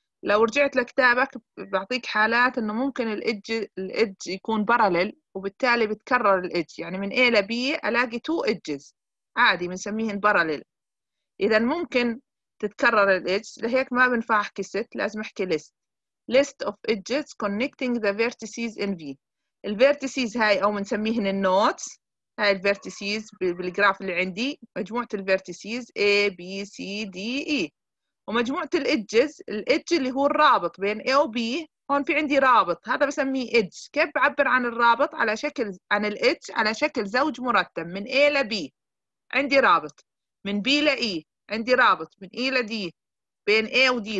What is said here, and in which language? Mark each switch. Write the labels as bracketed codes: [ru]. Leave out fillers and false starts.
[ar] لو رجعت لكتابك بعطيك حالات إنه ممكن الإج يكون parallel وبالتالي بتكرر الإج، يعني من A لB ألاقي two edges عادي بنسميهن parallel. إذا ممكن تتكرر الإج، لهيك ما بنفع أحكي set، لازم أحكي list. [en] list of edges connecting the vertices in V. [ar] الvertices هاي أو بنسميهن النوتس، هاي الvertices بالجراف اللي عندي، مجموعة الvertices A B C D E. ومجموعة الإجز، الإج اللي هو الرابط بين A و B، هون في عندي رابط هذا بسميه إج. كيف بعبر عن الرابط على شكل، عن الإج على شكل زوج مرتب، من A ل B عندي رابط، من B ل E عندي رابط، من E ل D بين A و D.